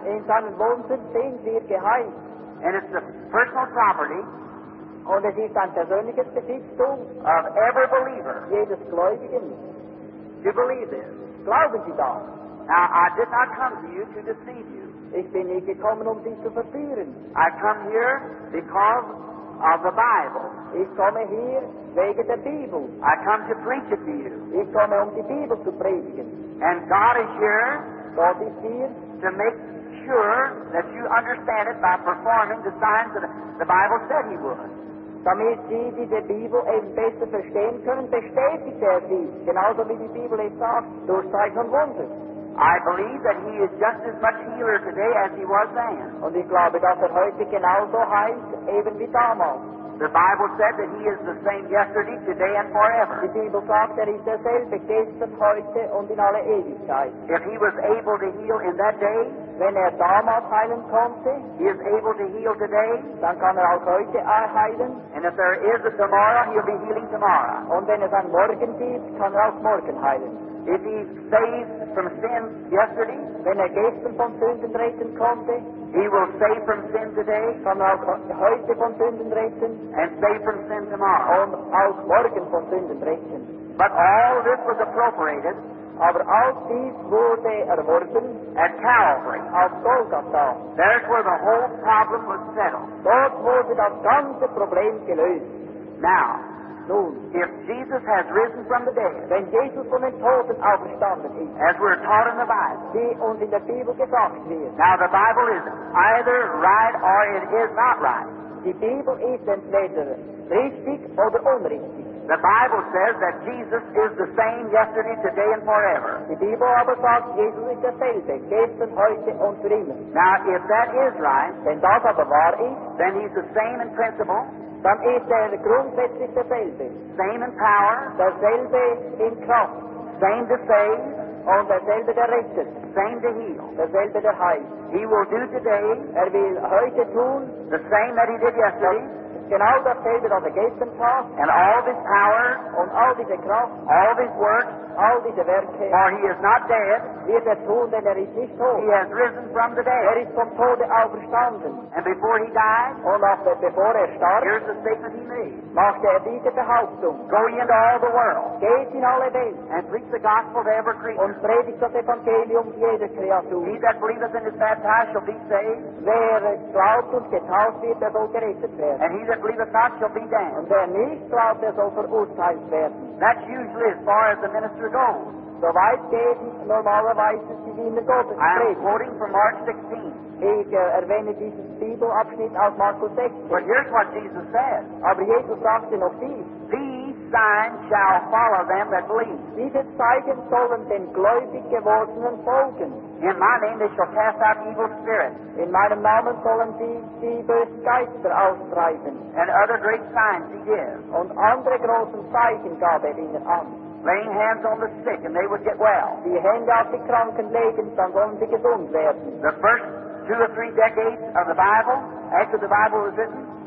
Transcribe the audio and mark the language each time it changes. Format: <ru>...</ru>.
<de>In seinen Wunden sind wir geheilt.</de> <en>And it's a personal property.</en> <de>Und es ist ein persönliches Besitztum</de> <en>of every believer.</en> <de>Jedes Gläubigen.</de> <en>You believe this?</en> <de>Glauben Sie das?</de> <en>Now, I did not come to you to deceive you.</en> <de>Ich bin nicht gekommen, um dich zu verführen.</de> <en>I come here because of the Bible.</en> <de>Ich komme hier wegen der Bibel.</de> <en>I come to preach it to you.</en> <de>Ich komme, um die Bibel zu predigen.</de> <en>And God is here.</en> <de>Gott ist hier.</de> <en>To make sure that you understand it by performing the signs that the Bible said he would.</en> <de>Damit Sie diese Bibel eben besser verstehen können, bestätigt er sie, genauso wie die Bibel es sagt, durch Zeichen und Wunder.</de> <en>I believe that he is just as much healer today as he was then.</en> <de>Und ich glaube, dass er heute genauso heilt, eben wie damals.</de> <en>The Bible said that he is the same yesterday, today, and forever.</en> <de>Die Bibel sagt, er ist derselbe gestern, heute und in alle Ewigkeit.</de> <en>If he was able to heal in that day,</en> <de>wenn er damals heilen konnte,</de> <en>he is able to heal today,</en> <de>dann kann er auch heute heilen.</de> <en>And if there is a tomorrow, he'll be healing tomorrow.</en> <de>Und wenn es ein Morgen gibt, kann er auch morgen heilen.</de> <en>If he saved from sin yesterday,</en> <de>wenn er gestern von Sünden retten konnte,</de> <en>he will save from sin today,</en> <de>kann er auch heute von Sünden retten,</de> <en>and save from sin tomorrow,</en> <de>und auch morgen von Sünden retten.</de> <en>But all this was appropriated,</en> <de>aber all dies wurde erworben,</de> <en>at Calvary,</en> <de>auf Golgatha.</de> <en>There's where the whole problem was settled.</en> <de>Dort wurde das ganze Problem gelöst.</de> <en>Now,</en> <de>nun,</de> <en>if Jesus has risen from the dead,</en> <de>wenn Jesus von den Toten auferstanden ist,</de> <en>as we're taught in the Bible,</en> <de>wie uns in der Bibel gesagt wird,</de> <en>now the Bible is either right or it is not right.</en> <de>Die Bibel ist entweder richtig oder unrichtig.</de> <en>The Bible says that Jesus is the same yesterday, today, and forever.</en> <de>Die Bibel aber sagt, Jesus ist derselbe, gestern, heute und für immer.</de> <en>Now, if that is right,</en> <de>wenn das aber wahr ist,</de> <en>then he's the same in principle,</en> <de>dann ist er grundsätzlich derselbe.</de> <en>Same in power.</en> <de>Derselbe in Kraft.</de> <en>Same to save.</en> <de>Und derselbe der Rettet.</de> <en>Same to heal.</en> <de>Derselbe der Heil.</de> <en>He will do today.</en> <de>Er will heute tun.</de> <en>The same that he did yesterday.</en> <de>genau das selbe, das er gestern tat.</de> <en>And all this power,</en> <de>und all diese Kraft,</de> <en>all these works,</en> <de>all diese Werke.</de> <en>For he is not dead,</en> <de>wird er tun, denn er ist nicht tot.</de> <en>He has risen from the dead.</en> <de>Er ist vom Tode auferstanden.</de> <en>And before he died,</en> <de>und auch bevor er starb,</de> <en>here's the statement he made.</en> <de>Machte er diese Behauptung.</de> <en>Go ye into all the world,</en> <de>geht in alle Welt,</de> <en>and preach the gospel to every creature.</en> <de>Und predigt das Evangelium jeder Kreatur.</de> <en>He that believeth and is baptized shall be saved.</en> <de>Wer glaubt und getauft wird, der soll gerettet werden.</de> <en>And he that believeth not shall be damned.</en> <de>Und wer nicht glaubt, der soll verurteilt werden.</de> <en>That's usually as far as the minister goes.</en> <de>So weit geben, normalerweise die Diener Gottes.</de> <en>I am quoting from Mark 16.</en> <de>Ich erwähne diesen Bibelabschnitt aus Markus 16.</de> <en>But here's what Jesus said.</en> <de>Aber Jesus sagte noch dies.</de> <en>These signs shall follow them that believe.</en> <de>Diese Zeichen sollen den gläubig gewordenen folgen.</de> <en>In my name they shall cast out evil spirits.</en> <de>In meinem Namen sollen die böse Geister austreiben.</de> <en>And other great signs he gives.</en> <de>Und andere großen Zeichen gab er ihnen an.</de> <en>Laying hands on the sick and they would get well.</en> <de>Die Hände auf die Kranken legen, dann sollen sie gesund werden.</de> <en>The first two or three decades of the Bible, after the Bible was written,</en>